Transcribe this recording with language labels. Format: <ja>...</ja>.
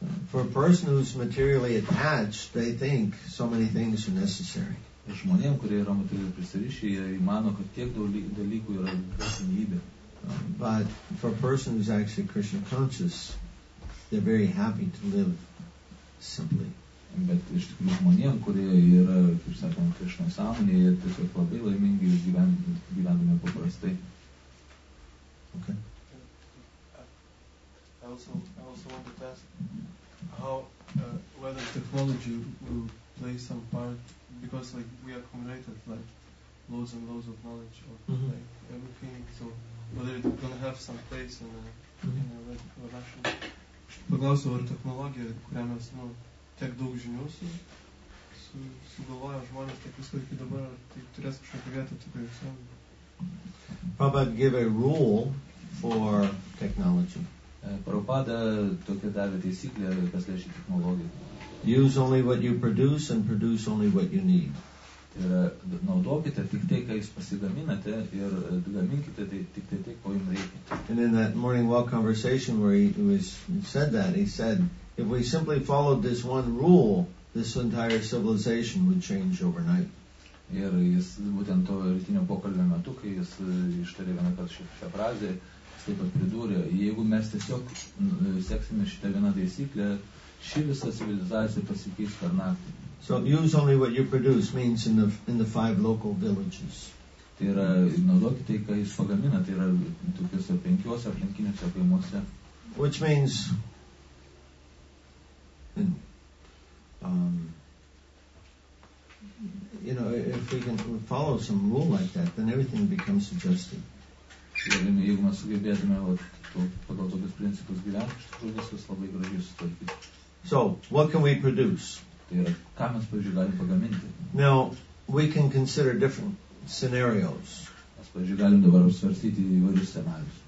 <en>For a person who's materially attached, they think so many things are necessary.</en> <lt>Žmonėm, kurie yra materialiai prisirišę, jie mano, kad tiek dalykų yra būtinybė.</lt> <en>But for a person who's actually Krishna conscious, they're very happy to live simply.</en> <lt>Bet iš tikrųjų žmonėm, kurie yra, kaip sakom, Krishna sąmonė, jie tiesiog labai laimingi gyvendami paprastai.</lt> <en>Okay. I also wanted to ask how whether technology will play some part, because like we accumulated like loads and loads of knowledge of like everything, so whether it's going to have some place in a relation.</en> <lt>Paglausiu, ar technologija, kurią mes tiek daug žinių sugalvojo žmonės, tiek visko iki dabar, tai turės kažkokią vietą tikrai visuomenė.</lt> <en>Prabhupada gave a rule for technology.</en> <lt>Prabhupada tokia davė taisyklė, kas liečia technologiją.</lt> <en>Use only what you produce and produce only what you need.</en> <lt>Naudokite tik tai, ką jūs pasigaminate ir gaminkite tik tai, ko jums reikia.</lt> <en>And in that morning walk conversation where he said, if we simply followed this one rule, this entire civilization would change overnight.</en> <lt>Ir jis būtent to rytinio pokalbio metu, kai jis ištarė vieną kartą šią frazę, jis taip pat pridūrė, jeigu mes tiesiog seksime šitą vieną taisyklę, ši visa civilizacija pasikeis per naktį.</lt> <en>So use only what you produce means in the five local villages.</en> <lt>Tai yra naudokite tai, ką jūs pagaminate, tai yra tokiuose penkiuose aplinkiniuose kaimuose.</lt> <en>Which means if we can follow some rule like that, then everything becomes suggested.</en> <lt>Jeigu mes sugebėtume pagal tokius principus gyventi, iš tikrųjų viskas labai gražiai sutvarkytų.</lt> <en>So, what can we produce?</en> <lt>Ką mes, pavyzdžiui, galim pagaminti?</lt> <en>Now, we can consider different scenarios.</en> <lt>Mes, pavyzdžiui, galim dabar svarstyti įvairius scenarius.</lt>